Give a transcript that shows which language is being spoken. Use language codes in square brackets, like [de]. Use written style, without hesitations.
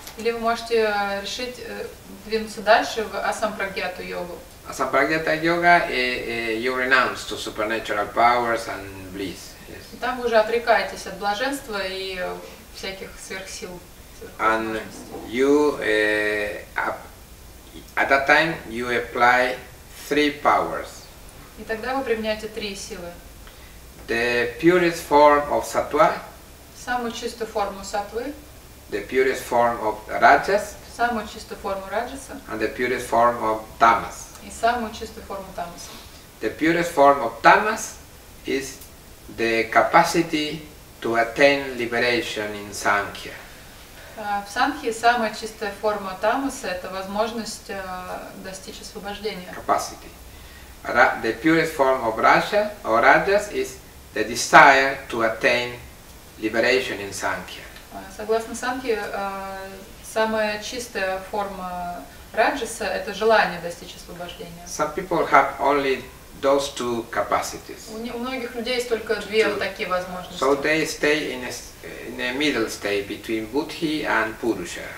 [ru] Или вы можете решить двинуться дальше в Асампрагьяту йогу. [en] Асампрагьята йога, you renounce to supernatural powers and bliss. Yes. [ru] Там уже отрекаетесь от блаженства и всяких сверхсил. [en] And you at that time you apply three powers. [ru] И тогда вы применяете три силы. [en] The purest form of sattva. [ru] Самую чистую форму сатвы. [en] The purest form of rajas. [ru] Самую чистую форму раджаса. [en] And the purest form of tamas. [ru] И самую чистую форму тамаса. [en] The purest form of tamas is the capacity to attain liberation in sankhya. [ru] В санхе самая чистая форма тамаса — это возможность достичь освобождения. [en] Capacity. The purest form of raja or rajas is the desire to attain liberation in sankhya. [ru] Согласно санхе, самая чистая форма раджаса — это желание достичь освобождения. [en] Some people have only those two capacities. [ru] У многих людей есть только две вот такие возможности. [en] So they stay in a middle state between Buddhi and Purusha.